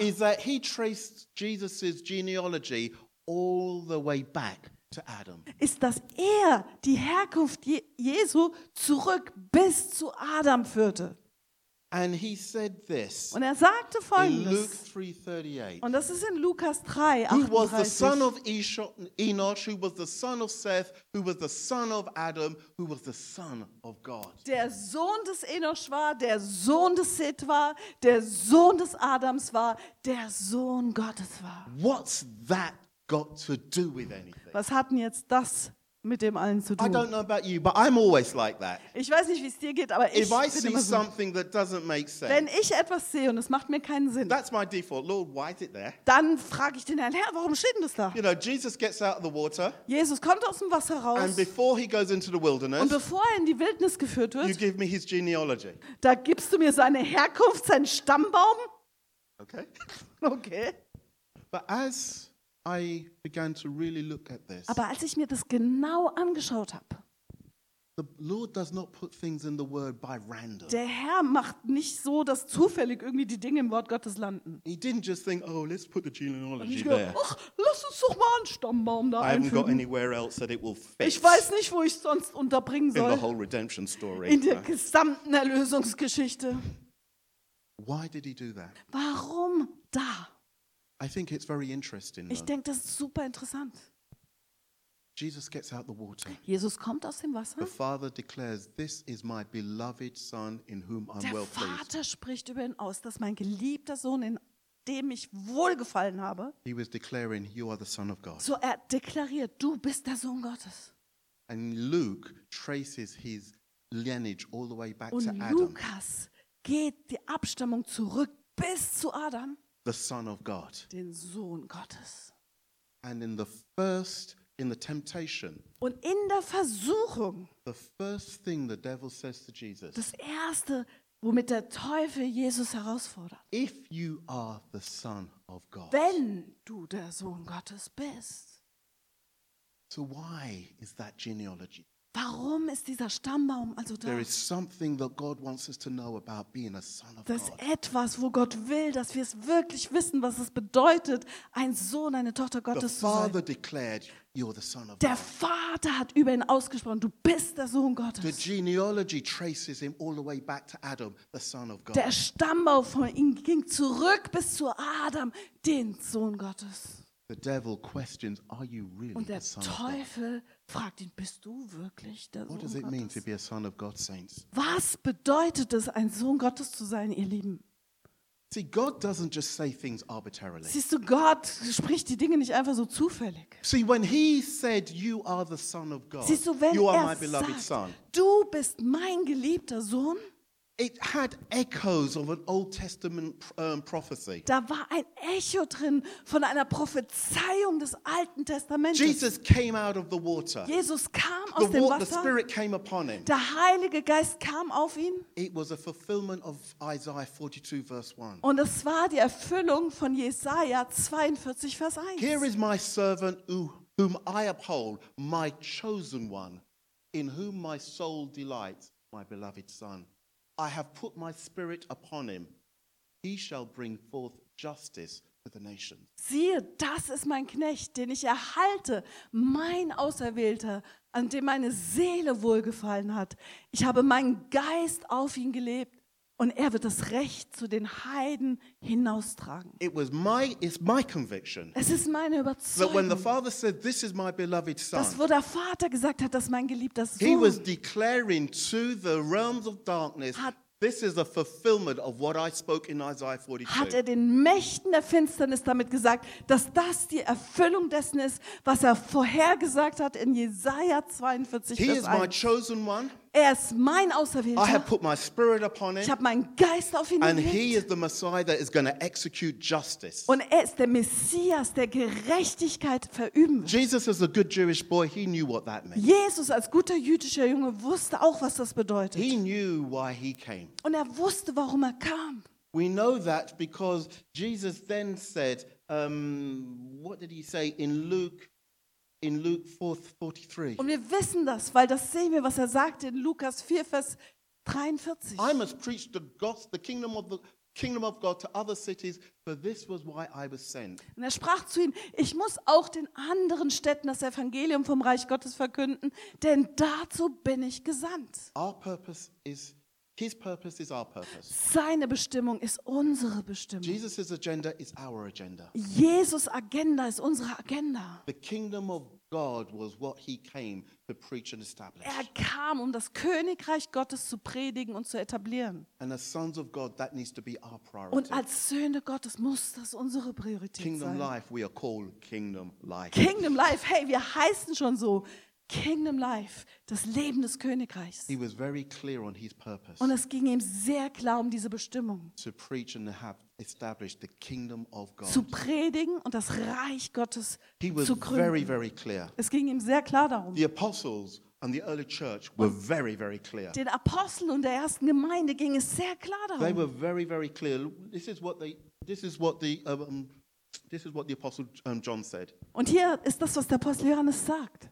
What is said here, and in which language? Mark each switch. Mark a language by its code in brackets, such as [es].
[en] is that he traced Jesus' genealogy all the way back to Adam. [de] Ist, dass er die Herkunft Jesu zurück bis zu Adam führte. [en] And he said this. [de] Und er sagte folgendes. [en] In Luke 3:38. [de] Und das ist in Lukas 3, 38. [en] Who was the son of Enosh, who was the son of Seth, who was the son of Adam, who was the son of God. [de] Der Sohn des Enosh war, der Sohn des Seth war, der Sohn des Adams war, der Sohn Gottes war. [en] What's that got to do with anything? [de] Was hat denn jetzt das mit dem allen zu tun? [en] I don't know about you, but I'm always like that. [de] Ich weiß nicht, wie es dir geht, aber ich bin immer so. [en] If I see something that doesn't make sense. [de] Wenn ich etwas sehe und es macht mir keinen Sinn. [en] That's my default. Lord, why is it there? [de] Dann frage ich den Herrn, Herr, warum steht denn das da? [en] You know, Jesus gets out of the water. [de] Jesus kommt aus dem Wasser raus. [en] And before he goes into the wilderness. [de] Und bevor er in die Wildnis geführt wird. [en] You give me his genealogy. [de] Da gibst du mir seine Herkunft, seinen Stammbaum? [en] Okay. [de] Okay. [en] But as I began to really look at this. [de] Aber als ich mir das genau angeschaut habe. [en] The Lord does not put things in the word by random. [de] Der Herr macht nicht so, dass zufällig irgendwie die Dinge im Wort Gottes landen. [en] He didn't just think, oh, let's put the genealogy there. [de] Ach, lass uns doch mal einen Stammbaum da einfügen. [en] I haven't got anywhere else that it will fit. [de] Ich weiß nicht, wo ich es sonst unterbringen soll. [en] In the whole redemption story. [de] In der gesamten Erlösungsgeschichte. [en] Why did he do that? [de] Warum da? [en] I think it's very interesting. [de] Ich denke, das ist super interessant. [en] Jesus gets out the water. [de] Jesus kommt aus dem Wasser. [en] The Father declares, "This is my beloved Son, in whom I'm well pleased." [de] Der Vater spricht über ihn aus, dass mein geliebter Sohn, in dem ich wohlgefallen habe. [en] He was declaring, "You are the Son of God." [de] So er deklariert, du bist der Sohn Gottes. [en] And Luke traces his lineage all the way back [de] und [en] to Adam. [de] Und Lukas geht die Abstammung zurück bis zu Adam. [en] The Son of God. [de] Den Sohn Gottes. [en] And in the first, in the temptation. [de] Und in der Versuchung. [en] The first thing the devil says to Jesus. [de] Das erste, womit der Teufel Jesus herausfordert. [en] If you are the Son of God. [de] Wenn du der Sohn Gottes bist. [en] So why is that genealogy? [de] Warum ist dieser Stammbaum also da? [en] There is something that God wants us to know about being a son of God. [de] Das ist etwas, wo Gott will, dass wir es wirklich wissen, was es bedeutet, ein Sohn, eine Tochter Gottes zu sein. [en] The Father declared, "You're the son of God." [de] Der Vater hat über ihn ausgesprochen, du bist der Sohn Gottes. [en] The genealogy traces him all the way back to Adam, the son of God. [de] Der Stammbaum von ihm ging zurück bis zu Adam, den Sohn Gottes. [en] The devil questions, "Are you really the son of God?" [de] Und der Teufel fragt ihn, bist du wirklich der Sohn Gottes? [en] What does it mean to be a son of God, saints? [de] Was bedeutet es, ein Sohn Gottes zu sein, ihr Lieben? [en] See, God doesn't just say things arbitrarily. [de] Siehst du, Gott spricht die Dinge nicht einfach so zufällig. [en] See, when he said, "You are the son of God," [de] siehst du, wenn [en] you are [de] er [en] my beloved son, [de] du bist mein geliebter Sohn, [en] it had echoes of an Old Testament prophecy. [de] Da war ein Echo drin von einer Prophezeiung des Alten Testaments. [en] Jesus came out of the water. [de] Jesus kam [en] the [de] aus dem Wasser. [en] The Spirit came upon him. [de] Der Heilige Geist kam auf ihn. [en] It was a fulfillment of Isaiah 42 verse 1. [de] Und es war die Erfüllung von Jesaja 42 Vers 1. [en] Here is my servant whom I uphold, my chosen one, in whom my soul delights, my beloved son. I have put my spirit upon him. He shall bring forth justice to the nations. [de] Siehe, das ist mein Knecht, den ich erhalte, mein Auserwählter, an dem meine Seele wohlgefallen hat. Ich habe meinen Geist auf ihn gelegt und er wird das Recht zu den Heiden hinaustragen. [en] It was my, it's my conviction. [de] Es ist meine Überzeugung. [en] That when the Father said, "This is my beloved son." [de] Dass wo der Vater gesagt hat, dass mein geliebter Sohn. [en] He was declaring to the realms of darkness, "This is a fulfillment of what I spoke in Isaiah 42." [de] Hat er den Mächten der Finsternis damit gesagt, dass das die Erfüllung dessen ist, was er vorhergesagt hat in Jesaja 42, Vers 1. [en] He is my chosen one. [de] Er ist mein Auserwählter. [en] I have put my spirit upon him. [de] Ich habe meinen Geist auf ihn gelegt. [en] And he is the Messiah that is going to execute justice. [de] Und er ist der Messias, der Gerechtigkeit verüben wird. [en] Jesus as a good Jewish boy, he knew what that meant. [de] Jesus als guter jüdischer Junge wusste auch, was das bedeutet. [en] He knew why he came. [de] Und er wusste, warum er kam. [en] We know that because Jesus then said, what did he say in Luke in Luke 4:43. [de] Und wir wissen das, weil das sehen wir, was er sagt in Lukas 4, Vers 43. [en] I must preach the gospel, the kingdom of the kingdom of God to other cities, for this was why I was sent. [de] Und er sprach zu ihm, ich muss auch den anderen Städten das Evangelium vom Reich Gottes verkünden, denn dazu bin ich gesandt. [en] Our purpose is His purpose is our purpose. [de] Seine Bestimmung ist unsere Bestimmung. [en] Jesus' agenda is our agenda. [de] Jesus' Agenda ist unsere Agenda. [en] The kingdom of God was what he came to preach and establish. [de] Er kam, um das Königreich Gottes zu predigen und zu etablieren. [en] And as sons of God, that needs to be our priority. [de] Und als Söhne Gottes muss das unsere Priorität sein. [en] Kingdom life, we are called kingdom life. [de] Kingdom life, hey, wir heißen schon so. Kingdom life, das Leben des Königreichs. [en] He was very clear on his purpose. [de] Und es ging ihm sehr klar um diese Bestimmung. [en] To preach and have established the kingdom of God. [de] Zu predigen und das Reich Gottes [en] he was [de] zu gründen. [en] Very, very clear. [de] Es ging ihm sehr klar darum. [en] The apostles and the early church were very, very clear. [de] Den Aposteln und der ersten Gemeinde ging es sehr klar darum. [en] They were very, very clear. This is what the apostle John said. [de] Und hier ist das, was der Apostel Johannes sagt.